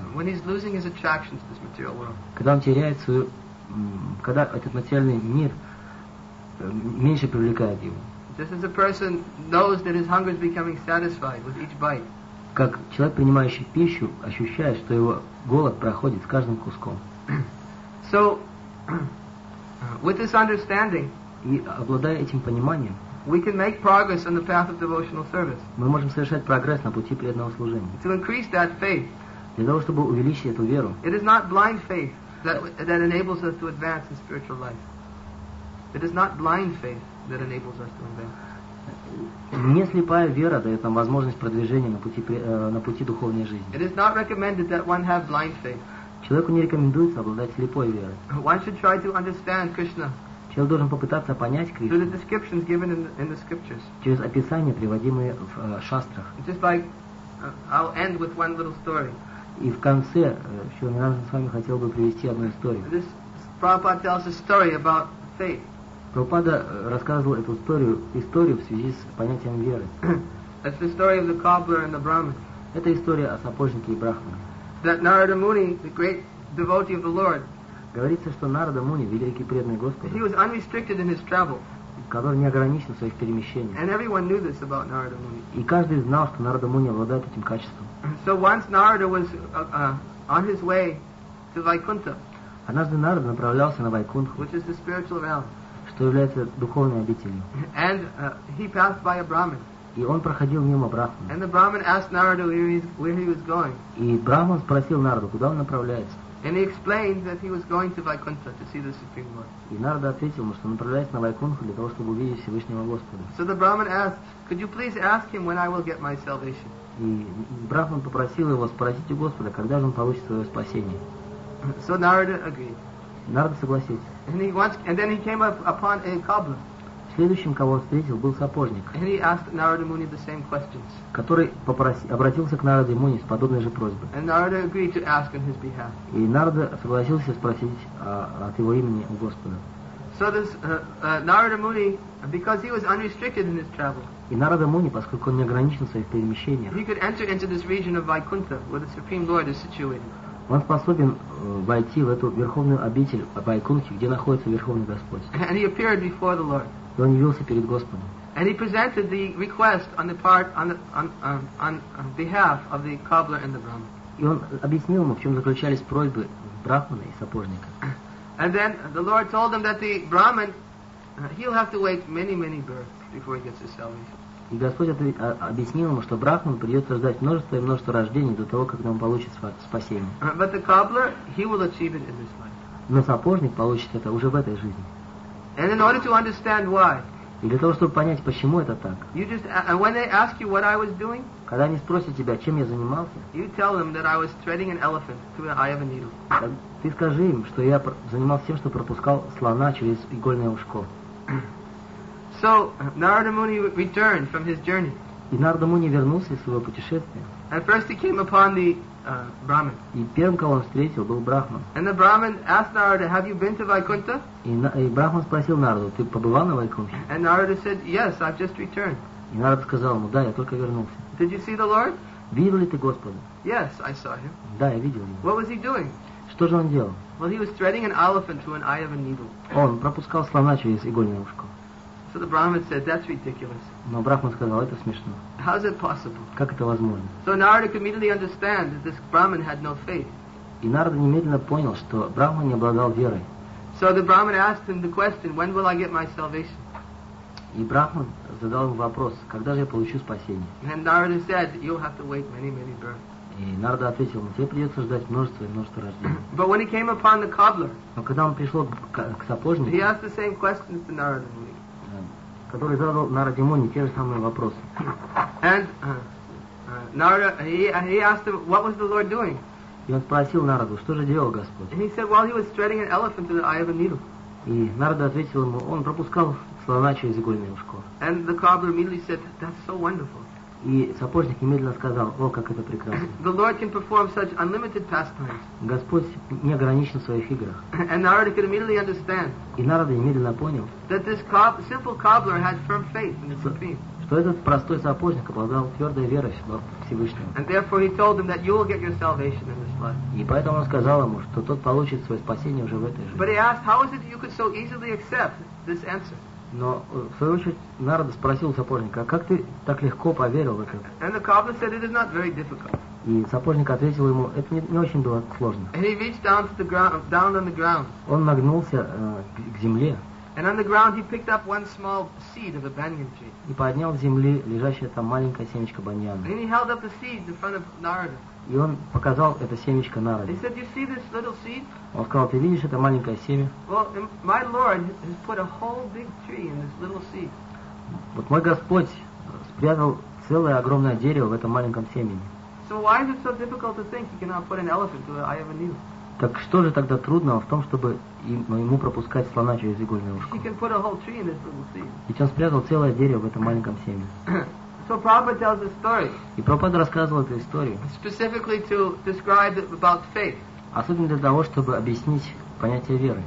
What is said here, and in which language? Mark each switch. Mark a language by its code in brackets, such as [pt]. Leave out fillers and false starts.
[en] When he's losing his attraction to this material world. [ru] Когда он теряет свою, когда этот материальный мир меньше привлекает его. [en] Just as a person knows that his hunger is becoming satisfied with each bite. [ru] Как человек, принимающий пищу, ощущает, что его голод проходит с каждым куском. [en] So, with this understanding. [ru] И обладая этим пониманием, [en] we can make progress on the path of devotional service. [ru] Мы можем совершать прогресс на пути преданного служения. [en] To increase that faith. [ru] Для того, чтобы увеличить эту веру. [en] It is not blind faith that enables us to advance in spiritual life. It is not blind faith that enables us to advance. [ru] Не слепая вера дает нам возможность продвижения на пути духовной жизни. [en] It is not recommended that one have blind faith. [ru] Человеку не рекомендуется обладать слепой верой. [en] One should try to understand Krishna. [ru] Человек должен попытаться понять Кришну. [en] Through the descriptions given in the scriptures. [ru] Через описания, приводимые в шастрах. [en] Just like I'll end with one little story. [ru] И в конце еще не раз с вами хотел бы привести одну историю. [en] This Prabhupada tells a story about faith. [ru] Прабхупада рассказывал эту историю в связи с понятием веры. [en] It's the story of the cobbler and the Brahmin. [ru] Это история о сапожнике и брахмане. [en] That Narada Muni, the great devotee of the Lord. [ru] Говорится, что Нарада Муни, великий преданный Господа, [en] he was unrestricted in his travel. [ru] Который не ограничен в своих перемещениях. [en] And everyone knew this about Narada Muni. [ru] И каждый знал, что Нарада Муни обладает этим качеством. [en] So once Narada was on his way to Vaikuntha. [ru] Однажды Нарада направлялся на Вайкунху, [en] which is the spiritual realm. [ru] Что является духовной обителью. [en] And he passed by a Brahmin. [ru] И он проходил мимо Брахмана. [en] And the Brahmin asked Narada where he was going. [ru] И Брахман спросил Нараду, куда он направляется. [en] And he explained that he was going to Vaikuntha to see the Supreme Lord. [ru] И Нарада ответил ему, что направляется на Вайкунху для того, чтобы увидеть Всевышнего Господа. [en] So the Brahmin asked, could you please ask him when I will get my salvation? [ru] И Брахман попросил его спросить у Господа, когда же он получит свое спасение. [en] So Narada agreed. [ru] Нарада согласился. [en] And then he came up upon a cobbler. [ru] Следующим, кого он встретил, был сапожник. [en] And he asked Narada Muni the same questions. [ru] Который обратился к Нараде Муни с подобной же просьбой. [en] And Narada agreed to ask on his behalf. [ru] И Нарада согласился спросить от его имени у Господа. [en] So this Narada Muni, because he was unrestricted in his travel. [ru] И Нарада Муни, поскольку он не ограничен в своих перемещениях. [en] He could enter into this region of Vaikuntha where the Supreme Lord is situated. [ru] Он способен войти в эту верховную обитель Вайкунхи, где находится Верховный Господь. [en] And he appeared before the Lord. [ru] И он явился перед Господом. [en] And he presented the request on the part on behalf of the cobbler and the Brahmin. [ru] И он объяснил ему, в чем заключались просьбы брахмана и сапожника. [en] And then the Lord told him that the Brahmin, he'll have to wait many, many births before he gets his salvation. [ru] И Господь объяснил ему, что брахман придется ждать множество и множество рождений до того, как он получит спасение. [en] But the cobbler, he will achieve it in this life. [ru] Но сапожник получит это уже в этой жизни. [en] And in order to understand why. [ru] И для того, чтобы понять, почему это так. [en] You just, and when they ask you what I was doing. [ru] Когда они спросят тебя, чем я занимался. [en] You tell them that I was threading an elephant through the eye of a needle. [ru] Ты скажи им, что я занимался тем, что пропускал слона через игольное ушко. [en] So Narada Muni returned from his journey. [ru] И Нарада Муни вернулся из своего путешествия. [en] And first he came upon the Brahman. [ru] И первым, кого он встретил, был Брахман. [en] And the Brahman asked Narada, "Have you been to Vaikuntha?" [ru] И Брахман спросил Нараду, "Ты побывал на Вайкунте?" [en] And Narada said, "Yes, I've just returned." [ru] И Нарада сказал ему, "Да, я только вернулся." [en] Did you see the Lord? [ru] Видел ли ты Господа? [en] Yes, I saw him. [ru] Да, я видел его. [en] What was he doing? [ru] Что же он делал? [en] Well, he was threading an elephant through an eye of a needle. [ru] Он пропускал слона через игольное ушко. [en] So the Brahman said, "That's ridiculous." [ru] Но Брахман сказал, это смешно. [en] How is it possible? [ru] Как это возможно? [en] So Narada could immediately understand that this Brahman had no faith. [ru] И Нарада немедленно понял, что Брахман не обладал верой. [en] So the Brahman asked him the question, "When will I get my salvation?" [ru] И Брахман задал ему вопрос, когда же я получу спасение? [en] And Narada said, "You'll have to wait many, many births." [ru] И Нарада ответил ему, тебе придется ждать множество и множество рождений. [en] But when he came upon the cobbler, [ru] но когда он пришел к сапожнику, [en] he asked the same questions to Narada Muni. [ru] Который задал Нараде Муни те же самые вопросы. [en] And Narada, he asked him, what was the Lord doing? [ru] И он спросил Нараду, что же делал Господь? [en] And he said, while he was threading an elephant through the eye of a needle. [ru] И Нарада ответил ему, он пропускал слона через игольное ушко. [en] And the cobbler immediately said, that's so wonderful. [ru] И сапожник немедленно сказал, о, как это прекрасно. [en] The Lord can perform such unlimited pastimes. [ru] Господь не ограничен в своих играх. [en] And Narada could immediately understand. [ru] И Нарада немедленно понял, [en] that this simple cobbler had firm faith in the Supreme. [ru] Что этот простой сапожник обладал твердой верой в Всевышнего. [en] And therefore he told him that you will get your salvation in this life. [ru] И поэтому он сказал ему, что тот получит свое спасение уже в этой жизни. [en] But he asked, how is it you could so easily accept this answer? [ru] Но в свою очередь Нарада спросил сапожника, а как ты так легко поверил в это? [en] And the cobbler said, it is not very difficult. [ru] И сапожник ответил ему, это не очень было сложно. [en] And he reached down to the ground, down on the ground. [ru] Он нагнулся к земле. [en] And on the ground he picked up one small seed of a banyan tree. [ru] И поднял с земли лежащее там маленькое семечко баньяна. [en] And he held up the seed in front of Narada. [ru] И он показал это семечко Нараде. [en] He said, you see this little seed? [ru] Он сказал, ты видишь это маленькое семя? [en] Well, my Lord has put a whole big tree in this little seed. [ru] Вот мой Господь спрятал целое огромное дерево в этом маленьком семени. [en] So why is it so difficult to think he cannot put an elephant to the eye of a needle? [ru] Так что же тогда трудного в том, чтобы ему пропускать слона через игольное ушко? Ведь он спрятал целое дерево в этом маленьком семени. [en] So Prabhupada tells a story. [ru] И Прабхупада рассказывал эту историю. [en] Specifically to describe about faith. [ru] Особенно для того, чтобы объяснить понятие веры.